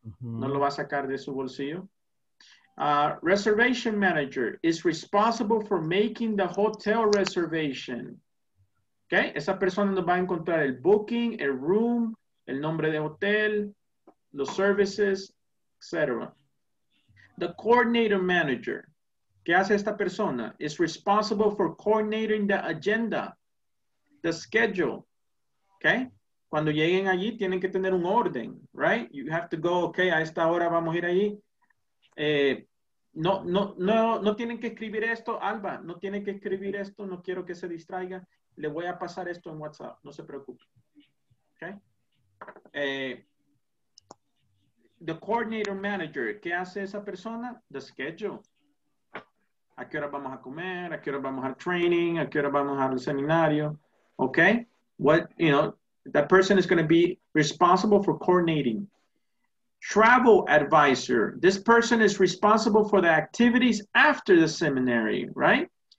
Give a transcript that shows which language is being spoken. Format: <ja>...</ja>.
<es>No lo va a sacar de su bolsillo.</es> <en>Reservation manager is responsible for making the hotel reservation. Okay?</en> <es>Esa persona nos va a encontrar el booking, el room, el nombre de hotel, los services, etc.</es> <en>The coordinator manager,</en> <es>¿qué hace esta persona?</es> <en>Is responsible for coordinating the agenda. The schedule, okay?</en> <es>Cuando lleguen allí, tienen que tener un orden, right?</es> <en>You have to go,</en> <es>okay, a esta hora vamos a ir allí. No tienen que escribir esto, Alba, no tienen que escribir esto, no quiero que se distraiga. Le voy a pasar esto en WhatsApp, no se preocupe, okay?</es> <en>The coordinator manager,</en> <es>¿qué hace esa persona?</es> <en>The schedule.</en> <es>¿A qué hora vamos a comer? ¿A qué hora vamos a training? ¿A qué hora vamos al seminario?</es> <en>Okay, what, you know, that person is going to be responsible for coordinating. Travel advisor, this person is responsible for the activities after the seminary, right?</en>